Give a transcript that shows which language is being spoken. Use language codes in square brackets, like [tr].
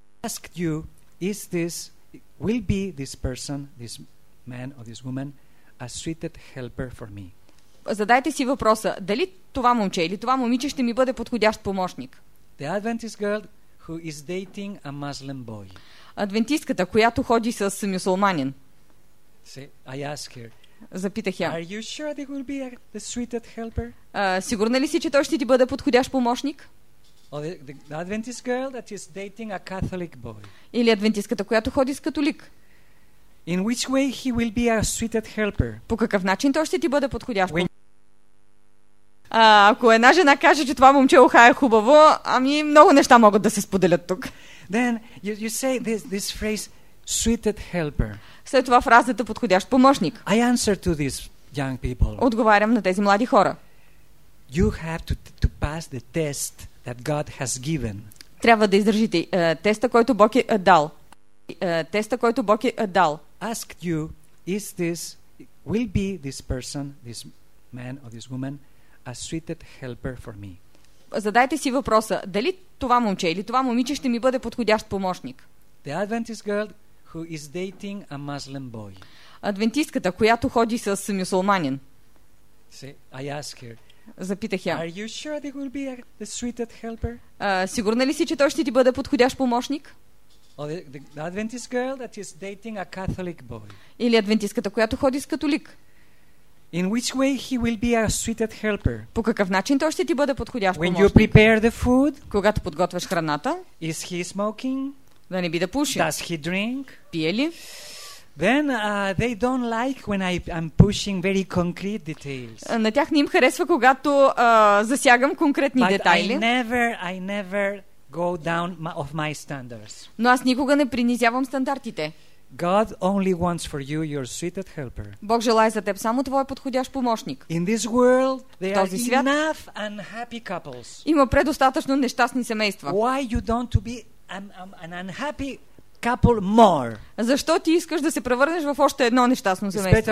[en] ask you, is this, will be this person, this man or this woman, a suited helper for me? [bg] Задайте си въпроса, дали това момче или това момиче ще ми бъде подходящ помощник? [en] The Adventist girl who is dating a Muslim boy. [bg] Адвентистката, която ходи с мюсюлманин. [en] I ask her. [bg] Запитах я. [en] Are you sure they will be the suited helper? [bg] Сигурна ли си, че той ще ти бъде подходящ помощник? [en] The Adventist girl that is dating a Catholic boy. [bg] Или адвентистката, която ходи с католик. [en] In which way he will be a suited helper? [bg] По какъв начин той ще ти бъде подходящ? Ако една жена каже, че това момче уха е хубаво, ами много неща могат да се споделят тук. [en] Then you say this phrase, suited helper. [bg] След това фразата подходящ помощник. [en] I answer to these young people. [bg] Отговарям на тези млади хора. [en] You have to pass the test that God has given. [bg] Трябва да издържите теста, който Бог е дал. Теста, който Бог е дал. [en] Ask you, is this, will be this person, this man or this woman, a suited helper for me? [bg] Задайте си въпроса, дали това момче или това момиче ще ми бъде подходящ помощник? [en] The Adventist girl who is dating a Muslim boy. [bg] Адвентистката, която ходи с мюсюлманин. [en] See, I ask her. [bg] Запитах я. [en] Are you sure they will be the suited helper? [bg] Сигурна ли си, че той ще ти бъде подходящ помощник? [en] Or the Adventist girl that is dating a Catholic boy. [bg] Или адвентистката, която ходи с католик. [en] In which way he will be a suited helper? [bg] По какъв начин той ще ти бъде подходящ [en] When [bg] помощник? [en] You prepare the food? [bg] Когато подготвяш храната? [en] Is he smoking? [bg] Да не би да пуши? [en] Does he drink? [bg] Пие ли? [en] Then they don't like when I'm pushing very concrete details. [bg] На тях не им харесва, когато засягам конкретни [en] But [bg] детайли. [en] I never go down of my standards. [bg] Но аз никога не принизявам стандартите. [en] God only wants for you your suited helper. [bg] Бог желае за теб само твой подходящ помощник. [en] In this world there are enough unhappy couples. [bg] Има предостатъчно нещастни семейства. [en] Why you don't to be an unhappy couple more? [bg] Защо ти искаш да се превърнеш в още едно нещастно семейство?